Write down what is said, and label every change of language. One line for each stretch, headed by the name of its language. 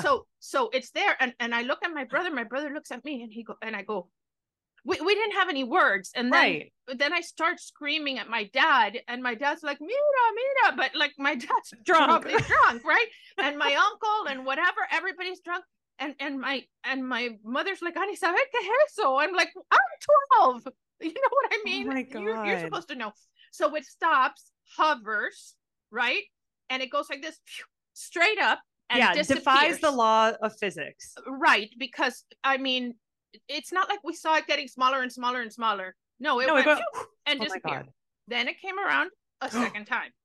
English: So it's there. And I look at my brother, looks at me and he go, and I go, We didn't have any words. And then, Right. Then I start screaming at my dad and my dad's like,
Spanish: mira, mira.
English: But like my dad's drunk, right? And my uncle and whatever, everybody's drunk. And my mother's like, Ani,
Spanish: ¿sabe qué es eso?
English: I'm like, I'm 12. You know what I mean? Oh my God. You're supposed to know. So it stops, hovers, right? And it goes like this, straight up. And yeah, disappears. Defies the law of physics. Right. Because I mean, it's not like we saw it getting smaller and smaller and smaller. No, it went and disappeared. Then it came around a second time.